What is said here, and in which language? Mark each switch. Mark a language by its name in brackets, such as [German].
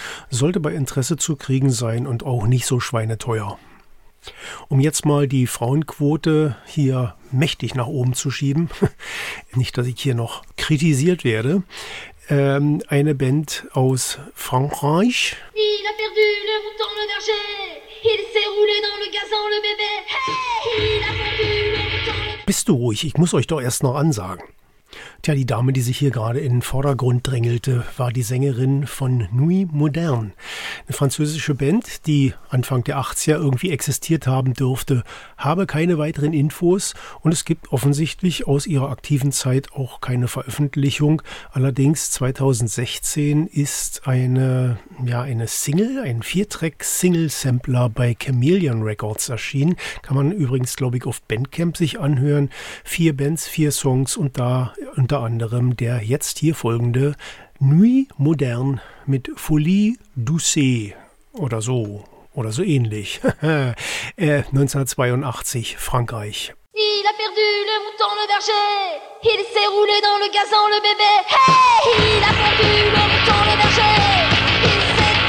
[German] Sollte bei Interesse zu kriegen sein und auch nicht so schweineteuer. Um jetzt mal die Frauenquote hier mächtig nach oben zu schieben, nicht, dass ich hier noch kritisiert werde, eine Band aus Frankreich. [French] Il a perdu le mouton le berger, il s'est roulé dans le gazon le bébé, hey, il a perdu le mouton. [German] Bist du ruhig, ich muss euch doch erst noch ansagen. Tja, die Dame, die sich hier gerade in den Vordergrund drängelte, war die Sängerin von Nuit Moderne, eine französische Band, die Anfang der 80er irgendwie existiert haben dürfte, habe keine weiteren Infos und es gibt offensichtlich aus ihrer aktiven Zeit auch keine Veröffentlichung. Allerdings 2016 ist eine Single, ein Viertrack-Single-Sampler bei Chameleon Records erschienen. Kann man übrigens, glaube ich, auf Bandcamp sich anhören. 4 Bands, 4 Songs und da unter anderem der jetzt hier folgende Nuit Moderne mit Folie Douce oder so ähnlich. 1982, Frankreich. [French] Il a perdu le mouton le berger, il s'est roulé dans le gazon le bébé, hey, il a perdu le mouton le berger.